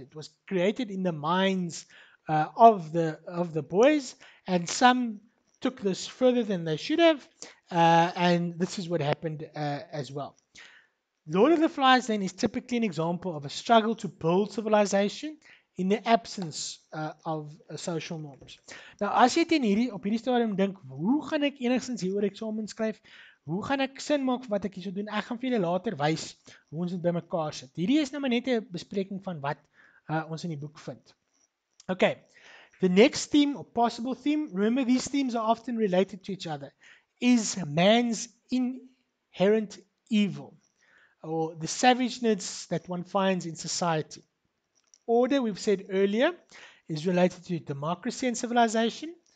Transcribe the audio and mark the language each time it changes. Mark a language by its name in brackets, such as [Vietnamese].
[English] It was created in the minds of the boys, and some took this further than they should have, and this is what happened as well. Lord of the Flies then is typically an example of a struggle to build civilization in the absence of social norms. [Afrikaans] Nou as jy teen hierdie op hierdie stadium dink, hoe gaan ek enigstens hieroor eksamen skryf? Hoe gaan ek sin maak wat ek hierso doen? Ek gaan vir julle later wys hoe ons dit bymekaar sit. Hierdie is nou maar net 'n bespreking van wat ons in die boek vind. Okay. [English] The next theme or possible theme, remember these themes are often related to each other, is man's inherent evil, or the savageness that one finds in society. Order, we've said earlier, is related to democracy and civilization.